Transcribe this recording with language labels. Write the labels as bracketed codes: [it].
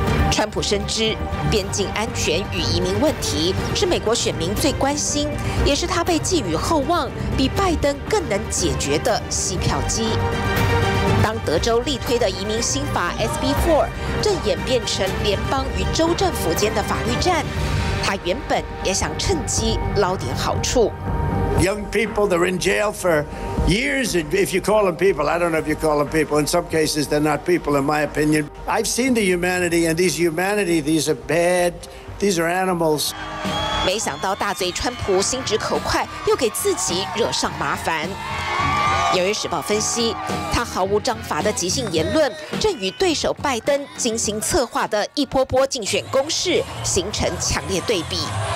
[zh] 川普深知，边境安全与移民问题是美国选民最关心，也是他被寄予厚望、比拜登更能解决的吸票机。当德州力推的移民新法 SB4 正演变成联邦与州政府间的法律战，他原本也想趁机捞点好处。 [en] Young people, they're in jail for years. If you call them people, I don't know if you call them people. In some cases, they're not people, in my opinion. I've seen the humanity, and these humanity, these are bad. These are animals. [zh] 没想到大嘴川普心直口快，又给自己惹上麻烦。纽约时报分析，他毫无章法的即兴言论，正与对手拜登精心策划的一波波竞选攻势形成强烈对比。